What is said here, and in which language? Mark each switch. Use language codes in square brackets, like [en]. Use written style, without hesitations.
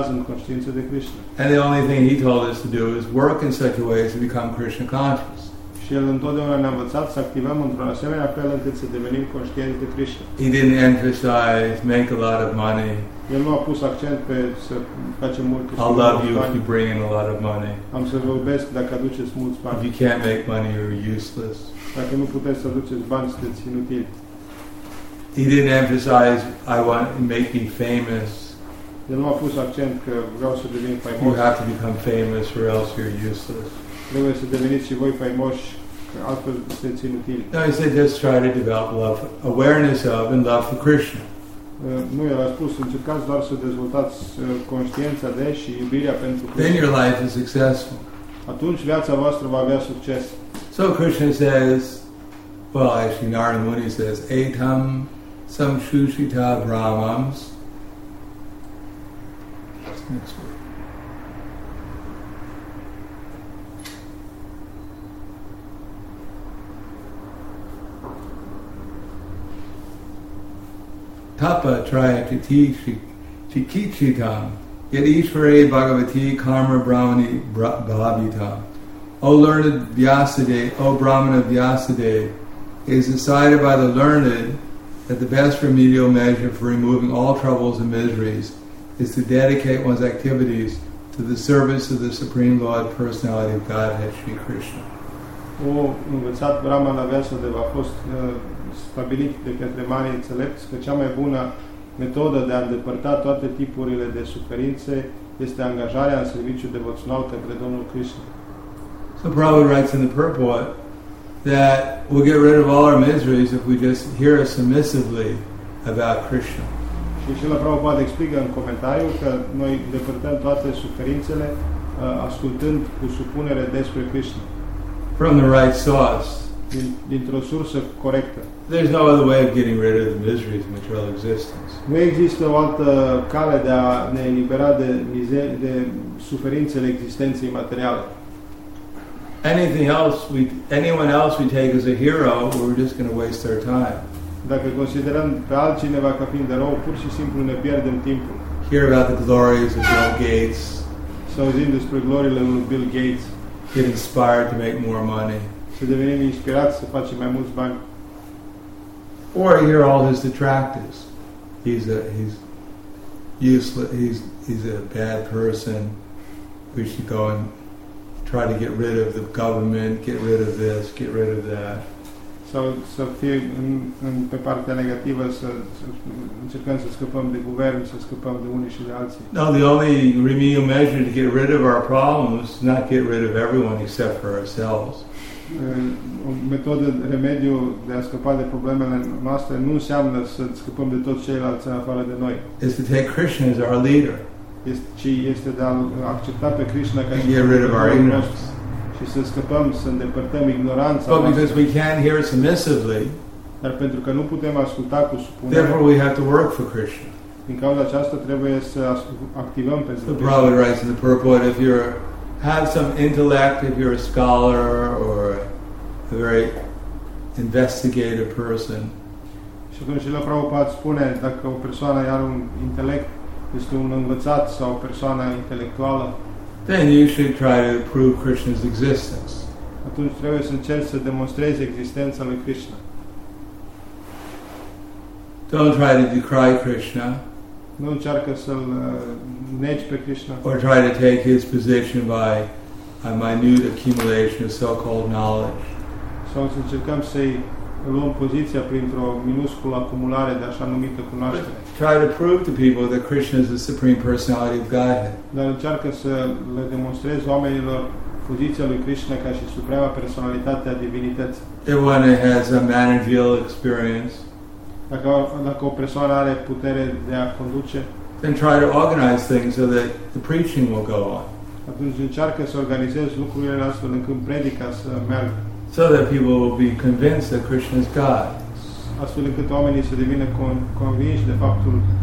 [en] And the only thing he told us to do is work in such a way as to become Krishna conscious. [ro] El întotdeauna ne-a învățat să activăm într-un asemenea fel încât să devenim conștienți de Krishna. [en] He didn't emphasize make a lot of money. [ro] El nu a pus accent pe să facem mulți [en] bani. I love you if you bring in a lot of money. [ro] Am să vă iubesc dacă aduceți mulți bani. [en] If you can't make money, you're useless. [ro] Dacă nu puteți să aduceți bani, sunteți inutil. [en] He didn't emphasize I want to make me famous. [ro] El nu a pus accent că vreau să devin faimos. [en] You have to become famous or else you're useless. [ro] Trebuie să deveniți și voi faimoși, că altfel sunteți inutili. [en] No, he said, just try to develop love, awareness of and love for Krishna. [ro] Nu, el a spus, încercați doar să dezvoltați conștiința de și iubirea pentru Krishna. [en] Then your life is successful. [ro] Atunci viața voastră va avea succes. [en] So Krishna says, well, actually Narada Muni says, [sa] etam samshushita brahmams. Tapa trayakiti chikichitam yet ishvare bhagavati karma brahmani bhavitam. [en] O learned Vyasadeva, O brahmana Vyasadeva, it is decided by the learned that the best remedial measure for removing all troubles and miseries is to dedicate one's activities to the service of the Supreme Lord Personality of Godhead, Sri Krishna. [ro] O învățat brahmana Vyasadeva a fost stabilit de către mari înțelepți că cea mai bună metodă de a îndepărta toate tipurile de suferințe este angajarea în serviciu devoțional către Domnul Krishna. [en] So Prabhupada writes in the purport that we'll get rid of all our miseries if we just hear submissively about Krishna. [ro] Și Srila Prabhupada explică în comentariu că noi îndepărtăm toate suferințele ascultând cu supunere despre Krishna. [en] From the right source. [ro] Dintr-o sursă corectă. [en] There's no other way of getting rid of the miseries of material existence. [ro] Nu există o altă cale de a ne elibera de suferințele existenței materiale. [en] Anyone else we take as a hero, we're just going to waste our time. [ro] Dacă considerăm pe altcineva ca fiind erou, pur și simplu ne pierdem timpul. [en] Hear about the glories of Bill Gates. [ro] Să auzim despre gloriile lui Bill Gates. [en] Get inspired to make more money. [ro] Să devenim inspirați să facem mai mulți bani. [en] Or hear all his detractors. He's useless. He's a bad person. We should go and try to get rid of the government. Get rid of this. Get rid of that. [ro] Să fie în pe partea negativă să încercăm să scăpăm de guvern, să scăpăm de unii și de alții. [en] No, the only remedial measure to get rid of our problems is not get rid of everyone except for ourselves. [ro] O metodă, remediu de a scăpa de problemele noastre nu înseamnă să scăpăm de toți ceilalți în afară de noi. [en] Is to take Krishna as our leader. [ro] Este de a accepta pe Krishna ca [en] și rid of our ignorance. [ro] Și să scăpăm, să îndepărtăm ignoranța. [en] But because we can't hear submissively, [ro] dar pentru că nu putem asculta cu supunere, [en] therefore we have to work for Krishna. [ro] Din cauza aceasta trebuie să activăm pentru Krishna. [en] The Prabhupada writes in the purport, if you're have some intellect, if you're a scholar or a very investigative person. [ro] Și atunci Srila Prabhupada spune, dacă o persoană are un intelect, este un învățat sau o persoană intelectuală, [en] then you should try to prove Krishna's existence. [ro] Atunci trebuie să încerci să demonstrezi existența lui Krishna. [en] Don't try to decry Krishna. [ro] Nu încearcă să-l negi pe Krishna. [en] Or try to take his position by a minute accumulation of so-called knowledge. [ro] Sau să încercăm să-i luăm poziția printr-o minusculă acumulare de așa numită cunoaștere. [en] But try to prove to people that Krishna is the Supreme Personality of Godhead. [ro] Dar încearcă să le demonstrezi oamenilor poziția lui Krishna ca și suprema personalitate a divinității. [en] If one has a managerial experience, [ro] dacă o persoană are putere de a conduce, [en] then try to organize things so that the preaching will go on. [ro] Atunci încearcă să organizezi lucrurile astfel încât predica să meargă. [en] So that people will be convinced that Krishna is God. [ro] Astfel încât oamenii să devină convinși de faptul